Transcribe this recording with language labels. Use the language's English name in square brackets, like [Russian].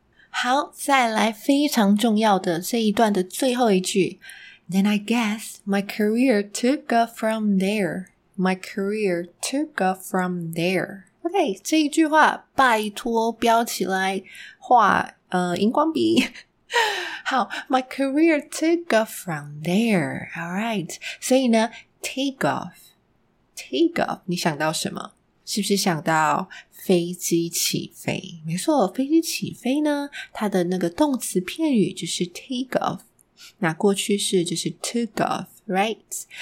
[Chinese] 好，再来非常重要的这一段的最后一句， [English] Then I guess my career took off from there. My career took off from there. [Chinese] OK, 这一句话拜托标起来画荧光笔。 [English] 好， My career took off from there. [Chinese] Alright, 所以呢 take off, 你想到什么？是不是想到飞机起飞？没错，飞机起飞呢，它的那个动词片语就是 take off， 那过去式就是 took off， right？